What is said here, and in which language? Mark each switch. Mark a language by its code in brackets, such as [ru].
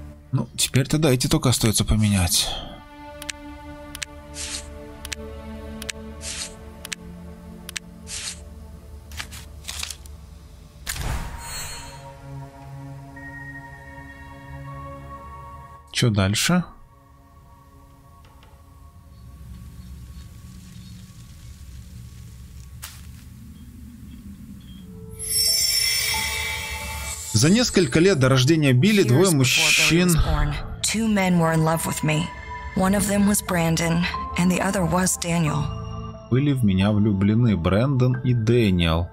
[ru] Ну, теперь-то да, эти только остается поменять. Что дальше? За несколько лет до рождения Билли двое мужчин... [en] Two men were in love with me. One of them was Brandon, and the other was Daniel. [ru] Были в меня влюблены Брэндон и Дэниел.